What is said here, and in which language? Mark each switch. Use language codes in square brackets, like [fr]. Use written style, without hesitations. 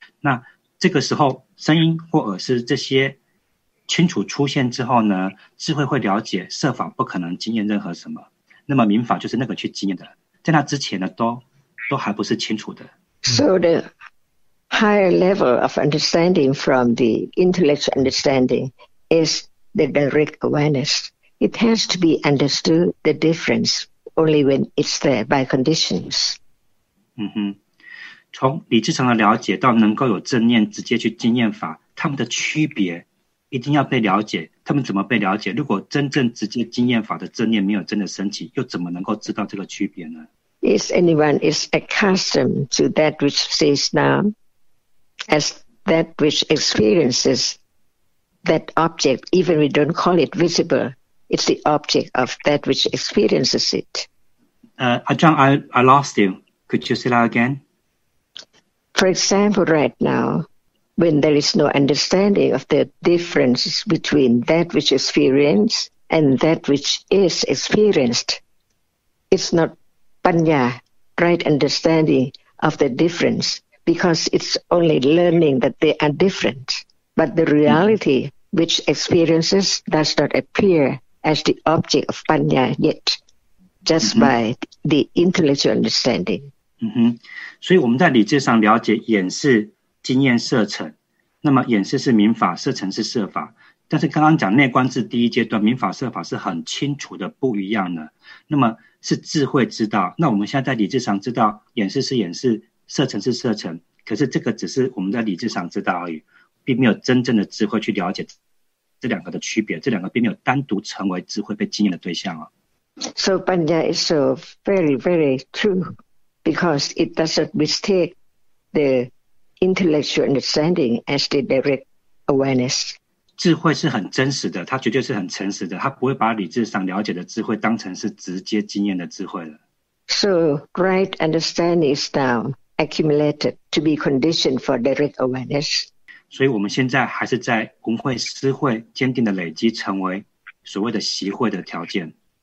[zh] 那这个时候，声音或耳识这些清楚出现之后呢，智慧会了解设法不可能经验任何什么，那么明法就是那个去经验的。在那之前呢，都还不是清楚的。 [en] So the higher level of understanding from the intellectual understanding is the direct awareness. It has to be understood the difference only when it's there by conditions. [zh] 从理智上的了解到能够有正念直接去经验法，他们的区别一定要被了解，他们怎么被了解？如果真正直接经验法的正念没有真的升起，又怎么能够知道这个区别呢？ [en] Is anyone is accustomed to that which sees now as that which experiences that object, even we don't call it visible, it's the object of that which experiences it. Ajahn, I lost you. Could you say that again? For example, right now,when there is no understanding of the differences between that which experienced and that which is experienced, it's not panya, right understanding of the difference, because it's only learning that they are different. But the reality which experiences does not appear as the object of panya yet, just by the intellectual understanding. [zh] 所以我们在理智上了解眼识经验色尘，那么眼识是明法，色尘是色法，但是刚刚讲内观智第一阶段明法色法是很清楚的不一样的，那么是智慧知道，那我们现在在理智上知道眼识是眼识，色尘是色尘，可是这个只是我们在理智上知道而已，并没有真正的智慧去了解这两个的区别，这两个并没有单独成为智慧被经验的对象、 [en] So Panya is so very very true because it doesn't mistake theintellectual understanding as the direct awareness. [zh] 智慧是很真实的，它绝对是很诚实的，它不会把理智上了解的智慧当成是直接经验的智慧了。 [en] So right understanding is now accumulated to be conditioned for direct awareness. [zh] 所以我们现在还是在闻慧思慧坚定的累积成为所谓的习慧的条件。